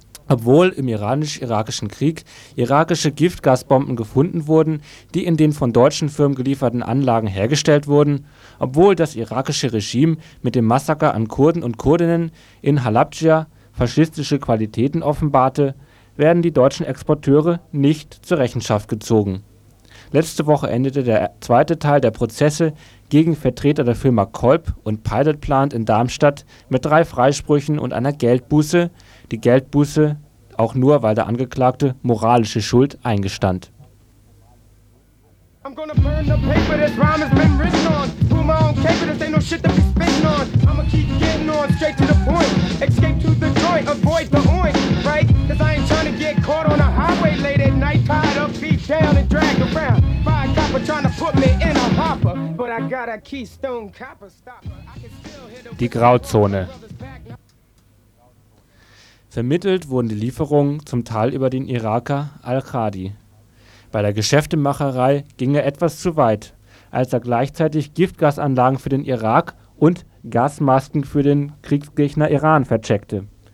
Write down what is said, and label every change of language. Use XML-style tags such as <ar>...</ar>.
<de>Obwohl im iranisch-irakischen Krieg irakische Giftgasbomben gefunden wurden, die in den von deutschen Firmen gelieferten Anlagen hergestellt wurden, obwohl das irakische Regime mit dem Massaker an Kurden und Kurdinnen in Halabdscha faschistische Qualitäten offenbarte, werden die deutschen Exporteure nicht zur Rechenschaft gezogen. Letzte Woche endete der zweite Teil der Prozesse gegen Vertreter der Firma Kolb und Pilot Plant in Darmstadt mit 3 Freisprüchen und einer Geldbuße, die Geldbuße auch nur, weil der Angeklagte moralische Schuld eingestand.</de> <en>I'm gonna burn the paper, this rhyme has been written on. Pull my own caper, this ain't no shit to be spitting on. I'ma keep getting on, straight to the point. Escape to the joint, avoid the oint, right? Cause I ain't trying to get caught on a highway late at night. Tied up, beat down and drag around. Fire copper trying to put me in a hopper. But I got a keystone copper stopper.</en> <de>Die Grauzone. Vermittelt wurden die Lieferungen zum Teil über den Iraker Al-Khadi. Bei der Geschäftemacherei ging er etwas zu weit, als er gleichzeitig Giftgasanlagen für den Irak und Gasmasken für den Kriegsgegner Iran vercheckte.</de>